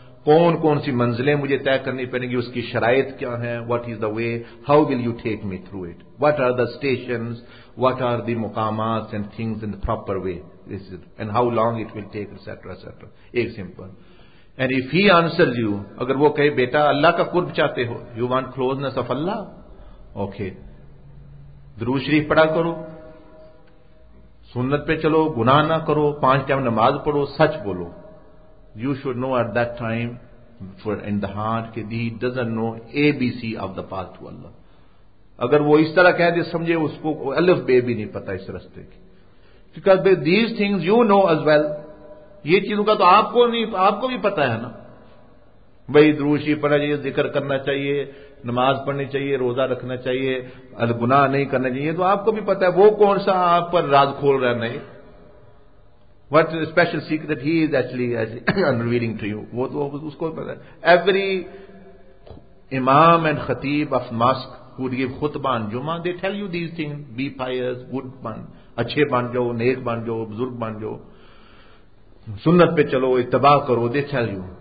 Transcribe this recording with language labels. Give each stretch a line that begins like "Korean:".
Urdu: کون کون سی منزلیں مجھے طے کرنی پڑیں گی, اس کی شرائط کیا ہیں,
English: What is the way, how will you take me through it, what are the stations, what are the مقامات and things in the proper way, this is and how long it will take etcetera etcetera, ایک simple. And if he answer you,
Urdu: اگر وہ کہے بیٹا اللہ کا قرب چاہتے ہو,
English: you want closeness of Allah,
Urdu: okay درود شریف پڑھا کرو, سنت پہ چلو, گناہ نہ کرو, پانچ ٹائم نماز پڑھو, سچ بولو.
English: You should know at that time for in the heart that he doesn't know ABC of the path to Allah.
Urdu: اگر وہ اس طرح کہہ دے سمجھے اس کو الف بے بھی نہیں پتا اس رستے کی.
English: Because by these things you know as well.
Urdu: یہ چیزوں کا تو آپ کو نہیں, آپ کو بھی پتا ہے نا, بھائی دروشی پڑھنا چاہیے, ذکر کرنا چاہیے, نماز پڑھنی چاہیے, روزہ رکھنا چاہیے, گناہ نہیں کرنا چاہیے, تو آپ کو بھی پتا ہے وہ کون سا آپ پر راز کھول رہا نہیں.
English: What is a special secret he is actually unveiling to you.
Urdu: وہ تو اس کو پتا ہے.
English: Every imam and khatib of mosque would give خطبہ in جمعہ, they tell you these things, be pious, good man,
Urdu: اچھے بن جاؤ, نیک بن جاؤ, بزرگ بن جاؤ, سنت پہ چلو, اتباع کرو,
English: they tell you.